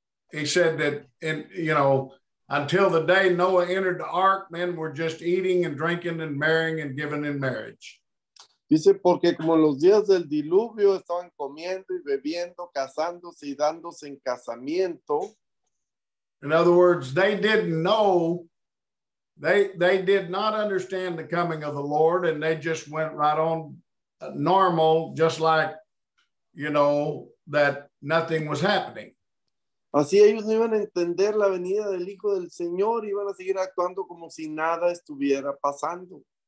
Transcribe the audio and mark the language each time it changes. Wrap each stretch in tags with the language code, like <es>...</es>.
<en>He said that, in, you know, until the day Noah entered the ark, men were just eating and drinking and marrying and giving in marriage.</en> <es>Dice, porque como los días del diluvio estaban comiendo y bebiendo, casándose y dándose en casamiento.</es> <en>In other words, they didn't know, they did not understand the coming of the Lord, and they just went right on normal, just like, you know, that nothing was happening.</en> <es>Así ellos no iban a entender la venida del Hijo del Señor, iban a seguir actuando como si nada estuviera pasando.</es>